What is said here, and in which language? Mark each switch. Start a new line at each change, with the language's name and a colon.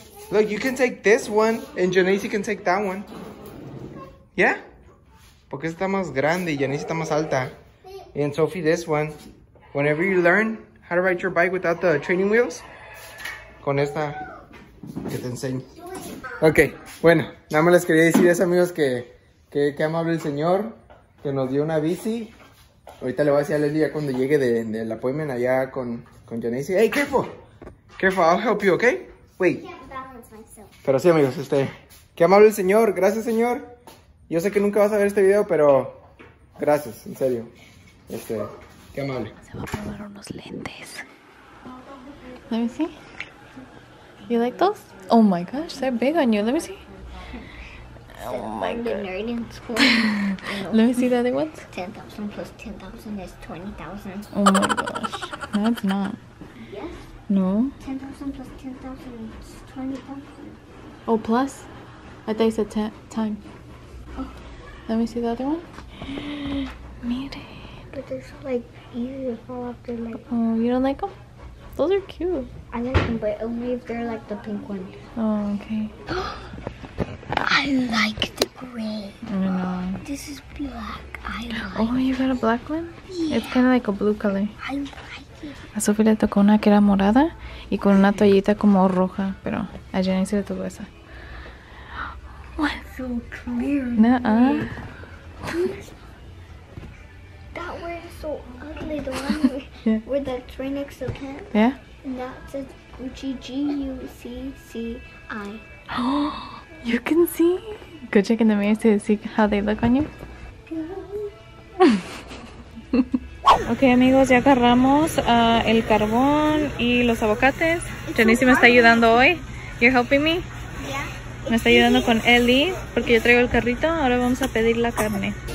English: Look, you can take this one, and Janice can take that one. Yeah?
Spanish: Porque esta más grande y Janice está más alta.
English: And Sophie, this one. Whenever you learn how to ride your bike without the training wheels,
Spanish: con esta que te enseño. Ok, bueno, nada más les quería decir eso, amigos, que amable el señor, que nos dio una bici. Ahorita le voy a decir a Leslie ya cuando llegue de la appointment allá con Janice.
English: Hey, careful, I'll help you, ok? Wait. I can't balance myself.
Spanish: Pero sí, amigos, que amable el señor, gracias, señor. Yo sé que nunca vas a ver este video, pero gracias, en serio. Qué amable. Se va a probar unos lentes.
English: Let me see. You like those? Oh my gosh, they're big on you. Let me see. Oh my god. The nerd in school. Let me see the other ones. 10,000 plus 10,000 is 20,000. Oh my gosh. No, it's not. Yes? No? 10,000 plus 10,000 is 20,000. Oh, plus? I thought you said time. Oh. Let me see the other one. Made it. But they're so like easy to fall off their leg. Oh, you don't like them? Those are cute. I like them, but only if they're like the pink one. Oh, okay. I like the gray. I know. This is black. I like it. Oh, you got a black one? Yeah. It's kind of like a blue color. I like it.
Spanish: A Sophie le tocó una que era morada y con una toallita como roja, pero a Jenny se le tocó esa.
English: What? So clear. Nuh-uh. That one is so ugly, the one. Yeah. With the train next to the pen. Yeah. And that says Gucci GUCCI. You can see. Go check in the mirror to see how they look on you.
Spanish: Okay, amigos, ya agarramos el carbón y los aguacates. Janice me está ayudando hoy.
English: You're helping me. Yeah.
Spanish: Me está ayudando con Ellie porque yo traigo el carrito. Ahora vamos a pedir la carne.